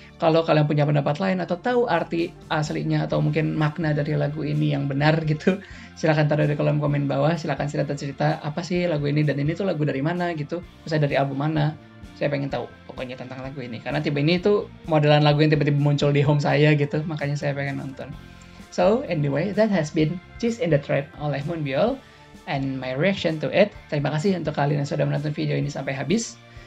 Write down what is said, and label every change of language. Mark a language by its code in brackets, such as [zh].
[id] Kalau kalian punya pendapat lain atau tahu arti aslinya atau mungkin makna dari lagu ini yang benar gitu, silakan taruh di kolom komen bawah. Silakan cerita apa sih lagu ini dan ini tuh lagu dari mana gitu, misalnya dari album mana. Saya pengen tahu pokoknya tentang lagu ini karena tiba-tiba ini tuh modelan lagu yang tiba-tiba muncul di home saya gitu, makanya saya pengen nonton. [en] So anyway, that has been Cheese in the Trap oleh Moonbyul and my reaction to it. [id] Terima kasih untuk kalian yang sudah menonton video ini sampai habis.